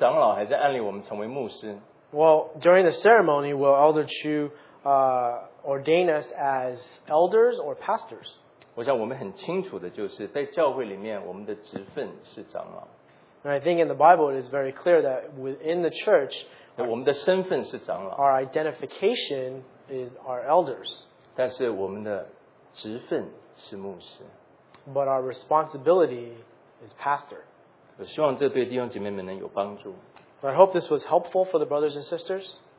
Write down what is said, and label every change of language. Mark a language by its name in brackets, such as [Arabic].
[Chinese] 长老在这个安立的时候，他是安立我们成为长老，还是安立我们成为牧师？ [English] Well, during the ceremony, will Elder Chu ordain us as elders or pastors? [Chinese] 我想我们很清楚的就是，在教会里面，我们的职分是长老。 [English] And I think in the Bible it is very clear that within the church, [Chinese] 我们的身份是长老。 [English] Our identification is our elders. [Chinese] 但是我们的职分是牧师。 [English] But our responsibility is pastor. [Chinese] 我希望这对弟兄姐妹们能有帮助。 [English] I hope this was helpful for the brothers and sisters.